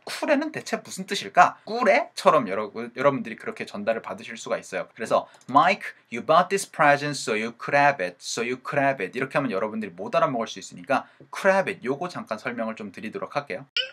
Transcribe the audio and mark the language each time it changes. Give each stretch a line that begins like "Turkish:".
Korean: 쿨해는 대체 무슨 뜻일까? 꿀해?처럼 여러분들이 그렇게 전달을 받으실 수가 있어요. 그래서
English: Mike, you bought this present so you could have it. So you could have it.
Korean: 이렇게 하면 여러분들이 못 알아먹을 수 있으니까
English: could have it.
Korean: 요거 잠깐 설명을 좀 드리도록 할게요.